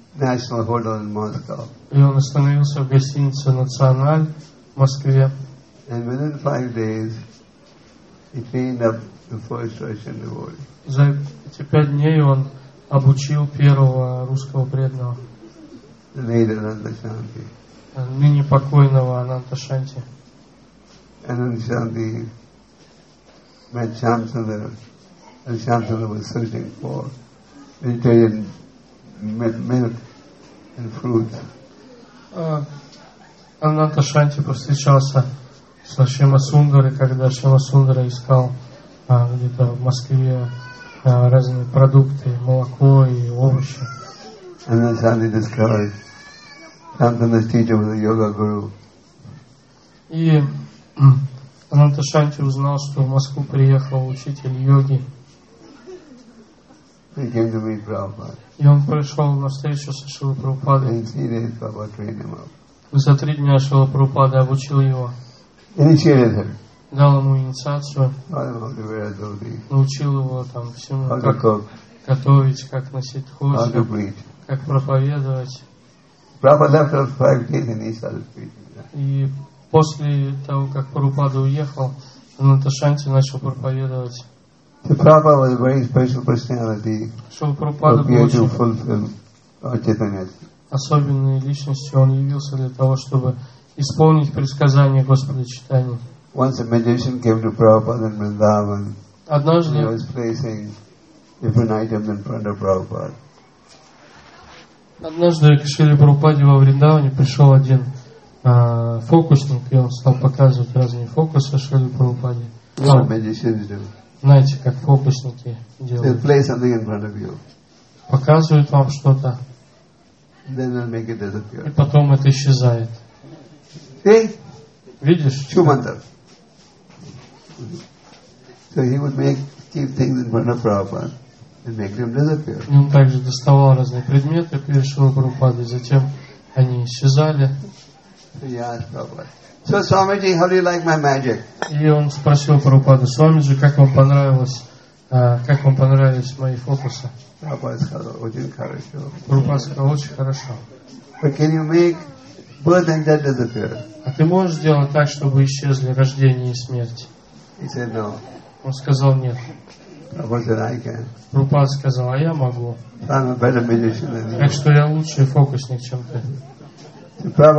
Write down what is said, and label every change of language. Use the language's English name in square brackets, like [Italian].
[Russian] И он остановился в гостинице «Националь» в Москве. [English] And within 5 days, he trained up the first Russian devotee. [Russian] За эти 5 дней он обучил первого русского преданного. [English] The late Ananta Shanti. [Russian] Ныне покойного Ананта Шанти. [English] Ananta Shanti met Shamsundara, and Shamsundara was searching for vegetarian milk and fruits. [Russian] Ананта Шанти повстречался с Шамасундарой, когда Шамасундара искал где-то в Москве разные продукты, молоко и овощи. [English] Ананта Шанти discovered Шамасундара's teacher was a yoga guru. [Russian] И Ананта Шанти узнал, что в Москву приехал учитель йоги. [English] He came to meet Prabhupada. [Russian] И он пришел на встречу со Шрилой Прабхупадой. [English] In 3 days, Prabhupada trained him up. [Russian] За 3 дня Шрила Прабхупада обучил его. [English] Initiated him. [Russian] Дал ему инициацию. Adobe. Научил его там всему. [English] How to cook. [Russian] Готовить, как носить хоть. [English] How to preach. [Russian] Как проповедовать. [English] Prabhupada left after 5 days and he started preaching. [Russian] И после того, как Прабхупада уехал, Ананта Шанти начал проповедовать. [English] The Prabhupada was a very special personality. [Russian] Шрила Прабхупада был очень особенной личностью. Он явился для того, чтобы исполнить предсказание Господа Чайтаньи. [English] Once a magician came to Prabhupada in Vrindavan. [Russian] Однажды [English] he was placing different items in front of Prabhupada. [Russian] Однажды к Шриле Прабхупаде во Вриндаване пришел один фокусник, и он стал показывать разные фокусы Шриле Прабхупаде. Знаете, как фокусники делают. [English] They play something in front of you. [Russian] Показывают вам что-то. [English] Then they'll make it disappear. [Russian] И потом это исчезает. [English] See? [Russian] Видишь? Чумандар. [English] So he would make keep things in front of Prabhupada. [Russian] И он также доставал разные предметы перед Шрилой Прабхупадой, затем они исчезали. [English] So, Swamiji, how do you like my magic? [Russian] И он спросил Прабхупаду: Свамиджи, как вам понравились мои фокусы? Прабхупада сказал: очень хорошо. [English] But can you make birth and death disappear? [Russian] А ты можешь сделать так, чтобы исчезли рождение и смерть? [English] He said, no. [Russian] Он сказал: нет. Прабхупада сказал: а я могу. Так что я лучший фокусник, чем ты.